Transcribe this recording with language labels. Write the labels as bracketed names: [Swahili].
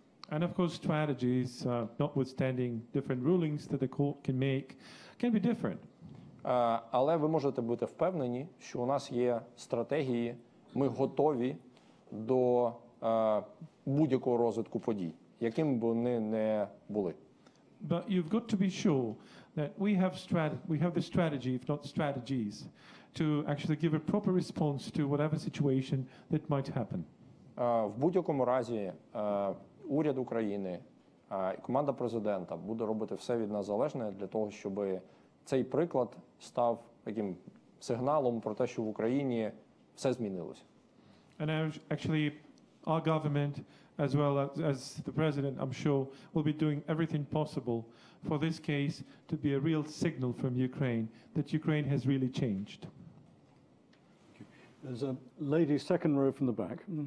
[English] And of course, strategies, notwithstanding different rulings that the court can make, can be different. [Ukrainian] Але ви можете бути впевнені, що у нас є стратегії, ми готові до будь-якого розвитку подій, яким би вони не були. [English] But you've got to be sure that we have the strategy, if not strategies, to actually give a proper response to whatever situation that might happen. [Ukrainian] В будь-якому разі, уряд України і команда президента буде робити все від нас залежне для того, щоб цей приклад став таким сигналом про те, що в Україні все змінилося. [English] And actually our government as well as the president, I'm sure, will be doing everything possible for this case to be a real signal from Ukraine that Ukraine has really changed. There's a lady second row from the back.